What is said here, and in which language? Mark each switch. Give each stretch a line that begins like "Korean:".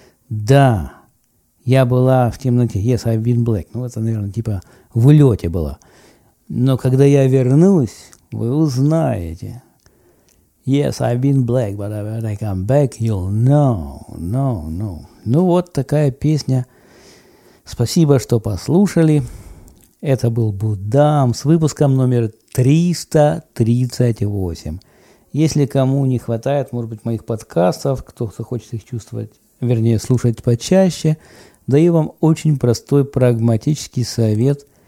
Russian: Да, я была в темноте.
English: Yes, I've been black.
Russian: Ну, это, наверное, типа в улете была. Но когда я вернусь, вы узнаете.
English: Yes, I've been black, but when I come back, you'll know, know, know.
Russian: Ну вот такая песня. Спасибо, что послушали. Это был Будам с выпуском номер 338. Если кому не хватает, может быть, моих подкастов, кто-то хочет их чувствовать, вернее, слушать почаще, даю вам очень простой прагматический совет.